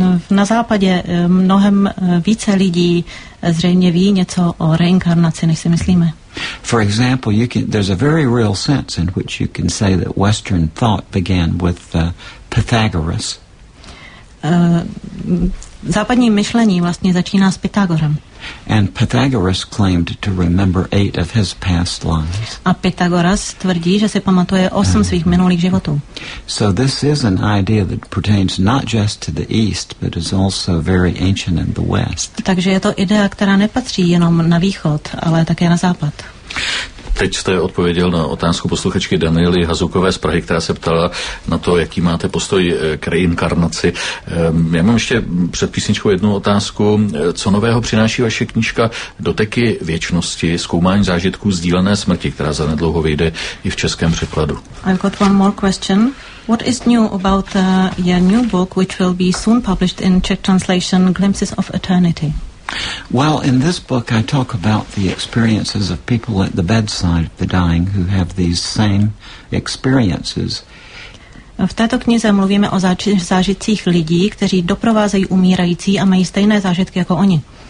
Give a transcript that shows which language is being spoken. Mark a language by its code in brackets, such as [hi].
[cs] Na západě mnohem více lidí zřejmě ví něco o reinkarnaci, než si myslíme. [en] For example, there's a very real sense in which you can say that Western thought began with Pythagoras. [cs] Západní myšlení vlastně začíná s Pythagorem. [en] And Pythagoras claimed to remember 8 of his past lives. [cs] A Pythagoras tvrdí, že si pamatuje 8 svých minulých životů. [en] So this is an idea that pertains not just to the East, but is also very ancient in the West. [cs] Takže je to idea, která nepatří jenom na východ, ale také na západ. Teď jste odpověděl na otázku posluchačky Daniely Hazukové z Prahy, která se ptala na to, jaký máte postoj k reinkarnaci. Já mám ještě před písničkou jednu otázku. Co nového přináší vaše knížka Doteky věčnosti, zkoumání zážitků sdílené smrti, která zanedlouho vyjde i v českém překladu? [en] I've got one more question. What is new about your new book, which will be soon published in Czech translation, Glimpses of Eternity? Well, in this book I talk about the experiences of people at the bedside of the dying who have these same experiences. [cs] V této knize mluvíme o zážitcích lidí, kteří doprovázejí umírající a mají stejné zážitky jako oni.